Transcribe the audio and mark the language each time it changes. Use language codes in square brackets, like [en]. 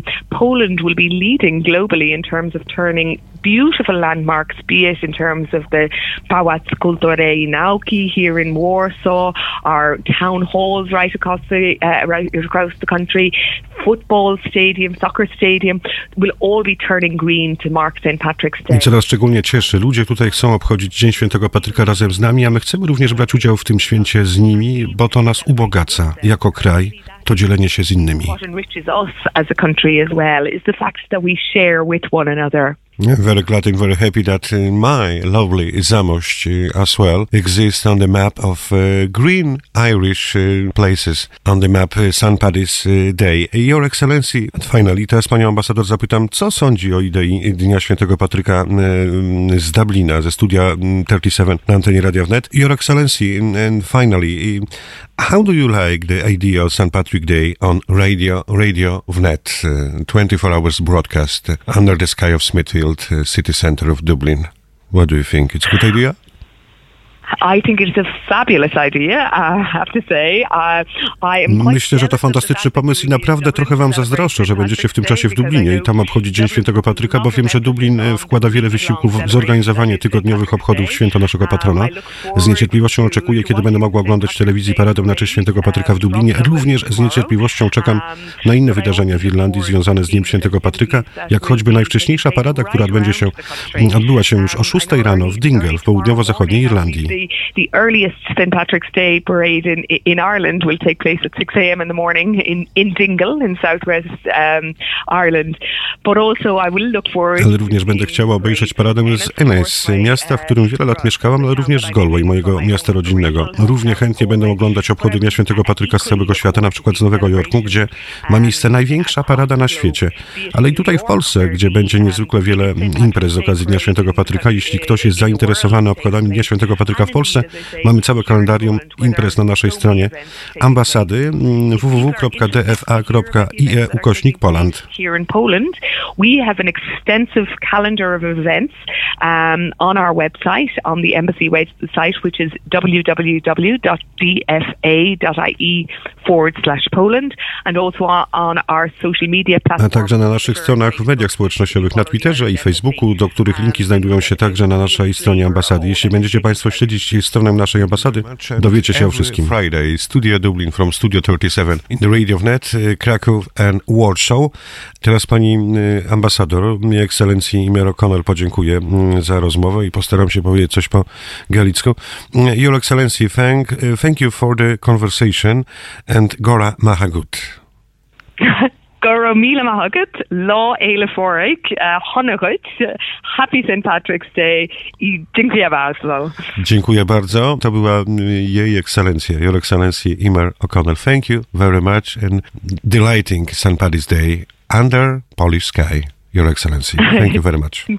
[en] Poland will be leading globally in terms of turning beautiful landmarks, be it in terms of the Pałac Kultury i Nauki here in Warsaw, our town halls right across the country, football stadium, soccer stadium, will all be turning green to mark St. Patrick's Day. [pl] I co nas szczególnie cieszy, ludzie tutaj chcą obchodzić Dzień Świętego Patryka razem z nami, a my chcemy również brać udział w tym święcie z nimi, bo to nas ubogaca jako kraj, to dzielenie się z innymi. [en] What enriches us as a country as well is the fact that we share with one another. Very glad and very happy that my lovely Zamość as well exists on the map of green Irish places on the map St. Paddy's Day. Your Excellency, and finally, [pl] teraz panią ambasador zapytam, co sądzi o idei Dnia Świętego Patryka z Dublina, ze studia 37 na antenie Radia Wnet. [en] Your Excellency, and finally, how do you like the idea of St. Patrick's Day on Radio Wnet, 24 hours broadcast under the sky of Smithfield? City center of Dublin. What do you think? It's a good idea? I think it's a fabulous idea, I have to say. [pl] Myślę, że to fantastyczny pomysł i naprawdę trochę wam zazdroszczę, że będziecie w tym czasie w Dublinie i tam obchodzić Dzień Świętego Patryka, bo wiem, że Dublin wkłada wiele wysiłków w zorganizowanie tygodniowych obchodów święta naszego patrona. Z niecierpliwością oczekuję, kiedy będę mogła oglądać w telewizji paradę na cześć Świętego Patryka w Dublinie. Również z niecierpliwością czekam na inne wydarzenia w Irlandii związane z Dniem Świętego Patryka, jak choćby najwcześniejsza parada, która odbyła się już o 6 rano w Dingle w południowo-zachodniej Irlandii. [en] The earliest St. Patrick's Day parade in Ireland will take place at 6 a.m. in the morning in Dingle in southwest Ireland. But also I will look forward. [pl] Ale również będę chciała obejrzeć paradę z Ennis, miasta, w którym wiele lat mieszkałam, ale również z Galway, mojego miasta rodzinnego. Równie chętnie będę oglądać obchody Dnia Świętego Patryka z całego świata, na przykład z Nowego Jorku, gdzie ma miejsce największa parada na świecie. Ale i tutaj w Polsce, gdzie będzie niezwykle wiele imprez z okazji Dnia Świętego Patryka. Jeśli ktoś jest zainteresowany obchodami Dnia Świętego Patryka w Polsce, mamy całe kalendarium imprez na naszej stronie ambasady www.dfa.ie/poland. [en] We have an extensive calendar of events on our website, on the embassy website, which is www.dfa.ie/poland, and also on our social media platforms. [pl] A także na naszych stronach w mediach społecznościowych, na Twitterze i Facebooku, do których linki znajdują się także na naszej stronie ambasady. Jeśli będziecie Państwo śledzić stronę naszej ambasady, dowiecie się o wszystkim. [en] Friday, Studio Dublin from Studio 37 in the Radio Wnet, Kraków and Warsaw. [pl] Teraz pani ambasador, mi ekscelencji Mary O'Connell podziękuję za rozmowę i postaram się powiedzieć coś po galicku. [en] Your Excellency, thank you for the conversation and gora mahagut. Gora mila mahagut, lo eile foraik, honorut, happy St. [pl] Patrick's Day i dziękuję bardzo. Dziękuję bardzo. To była jej ekscelencja, Your Excellency Mary O'Connell. [en] Thank you very much and delighting St. Patrick's Day. Under Polish sky, Your Excellency. Thank you very much.